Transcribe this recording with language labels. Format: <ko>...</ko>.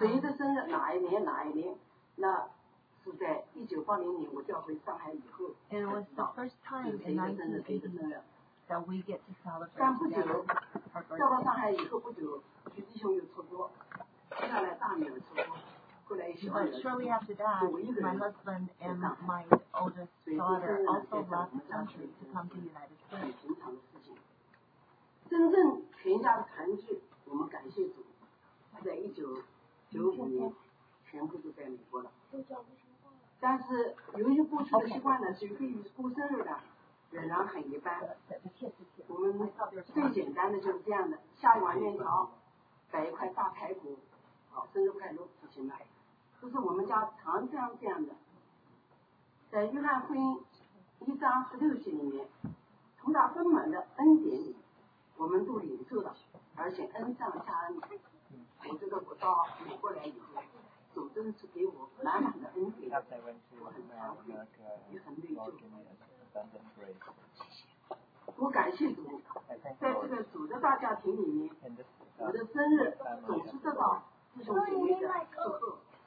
<zh>谁的生日哪一年哪一年是在1980年，我调回上海以后。</zh> <en>And it was the first time in 1980 that we get to celebrate.</en> <zh>但不久，调到上海以后不久，徐弟兄又出国，接下来大女儿出国，后来小女儿。</zh> <en>But shortly after that, my husband and my oldest daughter also left the country to come to the United States.</en> <zh>很平常的事情。真正全家的团聚，我们感谢主，在1995年。全部都在美国了，但是由于过去的习惯呢，是过生日的，仍然很一般。我们最简单的就是这样的，下一碗面条，摆一块大排骨，好，生日快乐就行了。这是我们家常这样的。在约翰福音1章16节里面，从他丰满的恩典里，我们都领受了，而且恩上加恩。从这个国到美国来以后。</zh> <en>Because they went to America, God gave me abundant grace.</en> <zh>家庭里面，我的生日总是得到这种经历的祝贺。</zh>